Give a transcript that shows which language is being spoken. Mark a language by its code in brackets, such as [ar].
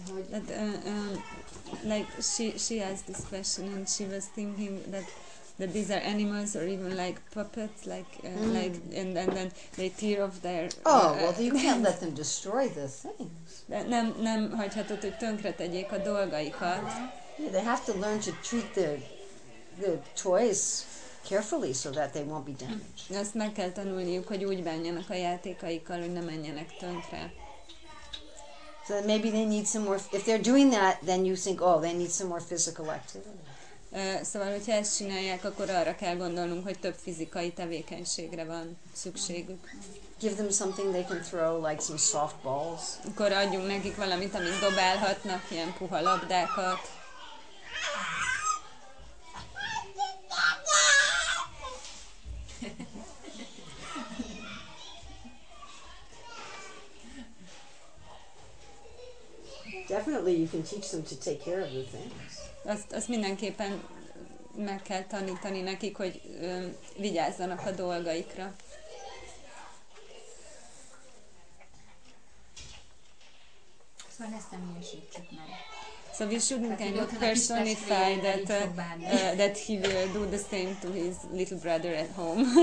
[en] That like she asked this question and she was thinking that these are animals or even like puppets, like like and then they tear off their well, you can't let them destroy the things. [hu] Nem hagyhatod, hogy tönkretegyék a dolgaikat. [en] Yeah, they have to learn to treat the toys carefully so that they won't be damaged. [hu] Ezt meg kell tanulniuk, hogy úgy bánjanak a játékaikkal, hogy ne menjenek tönkre. [en] So maybe they need some more. If they're doing that, then you think, oh, they need some more physical activity. [hu] Szóval, hogyha ezt csinálják, akkor arra kell gondolnunk, hogy több fizikai tevékenységre van szükségük. [en] Give them something they can throw, like some soft balls. [hu] Akkor adjunk nekik valamit, amit dobálhatnak, ilyen puha labdákat. [en] Definitely you can teach them to take care of the things. [hu] Azt mindenképpen meg kell tanítani nekik, hogy vigyázzanak a dolgaikra. Szóval ezt nem ilyesítsük meg. [en] So we shouldn't kind of personify that that he will do the same to his little brother at home.